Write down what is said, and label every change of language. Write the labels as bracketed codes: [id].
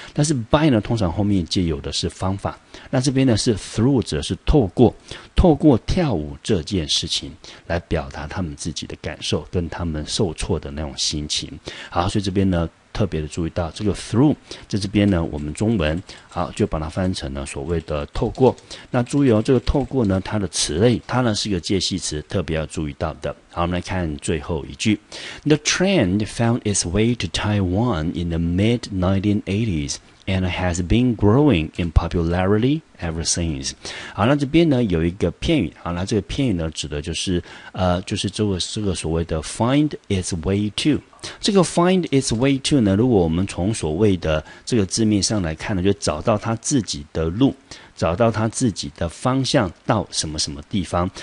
[zh] 但是 by 呢通常后面借由的是方法，那这边呢是 through， 则是透过跳舞这件事情来表达他们自己的感受跟他们受挫的那种心情。好，所以这边呢特别的注意到这个 through， 在这边呢我们中文好就把它翻成了所谓的透过。那注意哦，这个透过呢它的词类它呢是个介系词，特别要注意到的。好，我们来看最后一句。 [en] The trend found its way to Taiwan in the mid-1980s and has been growing in popularity ever since。 [zh] 好，那这边呢有一个片语。好，那这个片语呢指的就是就是这个所谓的 [en] find its way to。 [zh] 这个 [en] find its way to [zh] 呢，如果我们从所谓的这个字面上来看呢，就找到他自己的路，找到他自己的方向到什么什么地方。